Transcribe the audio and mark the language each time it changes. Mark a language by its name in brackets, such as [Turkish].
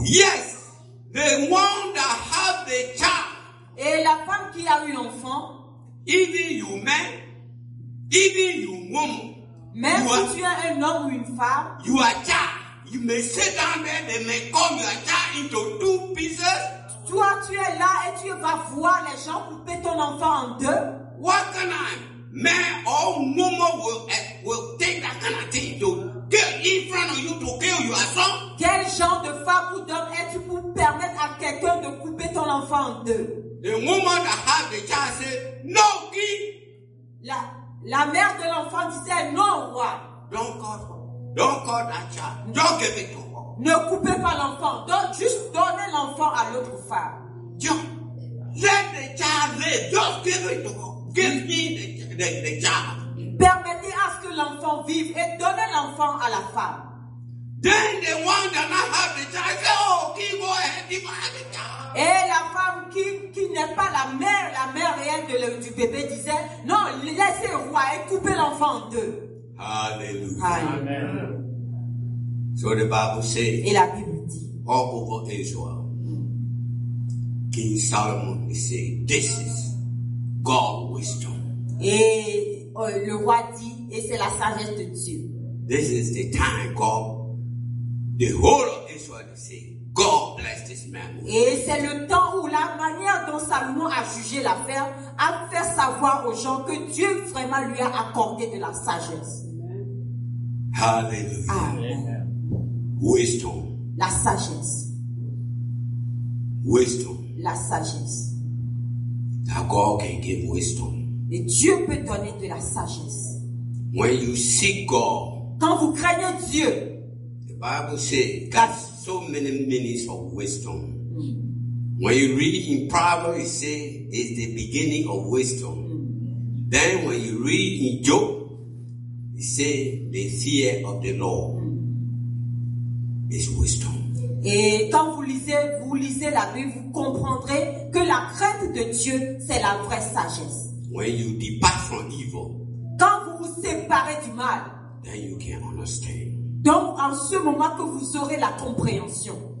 [English] Yes, the one that had the child. [French] Et la femme qui a eu l'enfant. [English] Even you men, even you woman. [French] Même [English] you [French] si [English] are, [French] tu es un homme ou une femme. [English] You are child. You may sit down there, they may come your child into two pieces. [French] Toi, tu es là et tu vas voir les gens couper ton enfant en deux. [English] What can I? Man or woman will take that kind of thing to kill in front of you to kill your son? [French] Quel genre de femme ou d'homme es-tu pour permettre à quelqu'un de couper ton enfant en deux? [English] The woman that had the child said, no king. [French] La mère de l'enfant disait, non roi. [English] Don't call that child. Don't give it to her. [French] Ne coupez pas l'enfant. Juste donnez l'enfant à l'autre femme. [English] Don't. Let the child live. Just give it to her. Give me the child. [French] Permettez à ce que l'enfant vive et donnez l'enfant à la femme. [English] Then the one that not have the child said, oh, king, go ahead, divide the child. [French] Et la femme qui n'est pas la mère réelle du bébé disait, non, laissez le roi et coupez l'enfant en deux. [English] Hallelujah. Amen. So the Bible says, [French] et la Bible dit, [English] all over Israel, King Solomon is saying, this is God's wisdom. [French] Et le roi dit, et c'est la sagesse de Dieu. [English] This is the time God, the whole of Israel is saying, God bless this man. [French] Et c'est le temps où la manière dont Salomon a jugé l'affaire a fait savoir aux gens que Dieu vraiment lui a accordé de la sagesse. [English] Hallelujah. Amen. Wisdom. [French] La sagesse. [English] Wisdom. [French] La sagesse. [English] That God can give wisdom. [French] Et Dieu peut donner de la sagesse. [English] When you seek God. [French] Quand vous craignez Dieu. [English] The Bible says, God has so many meanings of wisdom. When you read in Proverbs, it says, it's the beginning of wisdom. Then when you read in Job, it says, the fear of the Lord is wisdom. [French] Et quand vous lisez la Bible, vous comprendrez que la crainte de Dieu, c'est la vraie sagesse. [English] When you depart from evil, [French] quand vous vous séparez du mal, [English] then you can understand. [French] Donc, en ce moment que vous aurez la compréhension.